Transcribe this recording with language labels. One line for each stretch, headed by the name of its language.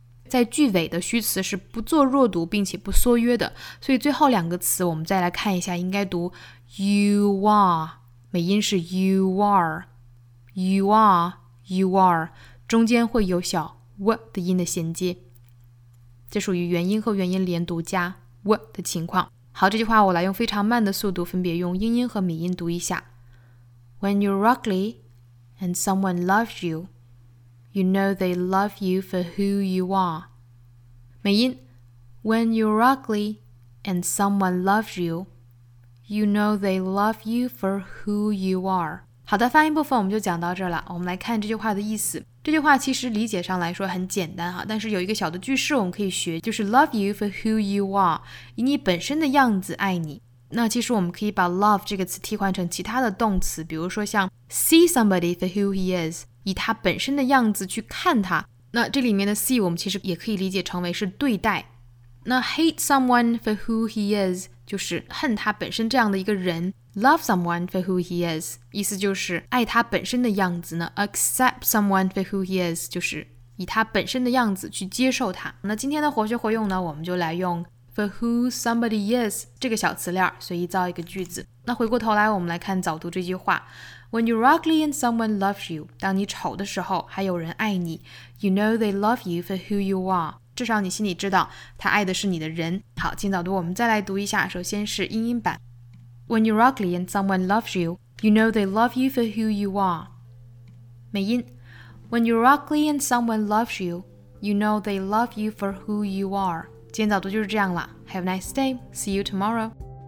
Chinese: 在句尾的虚词是不做弱读并且不缩约的，所以最后两个词我们再来看一下，应该读 you are， 美音是 you are， 中间会有小 w 的音的衔接，这属于元音和元音连读加 w 的情况。好，这句话我来用非常慢的速度分别用英音和美音读一下。
English: When you're ugly and someone loves you, you know they love you for who you are. 美音 When you're ugly and someone loves you, you know they love you for who you are.
Chinese: 好的，发音部分我们就讲到这儿了。我们来看这句话的意思。这句话其实理解上来说很简单哈，但是有一个小的句式我们可以学，就是
English: love you for who you are，
Chinese: 以你本身的样子爱你。那其实我们可以把 love 这个词替换成其他的动词，比如说像
English: see somebody for who he is，
Chinese: 以他本身的样子去看他。那这里面的 see 我们其实也可以理解成为是对待。那
English: hate someone for who he is
Chinese: 就是恨他本身这样的一个人，
English: love someone for who he is
Chinese: 意思就是爱他本身的样子呢，
English: accept someone for who he is
Chinese: 就是以他本身的样子去接受他。那今天的活学活用呢，我们就来用
English: For who somebody is
Chinese: 这个小词链，随意造一个句子。那回过头来我们来看早读这句话。
English: When you're ugly and someone loves you，
Chinese: 当你丑的时候还有人爱你，
English: You know they love you for who you are，
Chinese: 至少你心里知道他爱的是你的人。好，今早读我们再来读一下，首先是英音版。
English: When you're ugly and someone loves you， You know they love you for who you are。美音 When you're ugly and someone loves you， You know they love you for who you are。
Chinese: 今天早读就是这样了。
English: Have a nice day. See you tomorrow.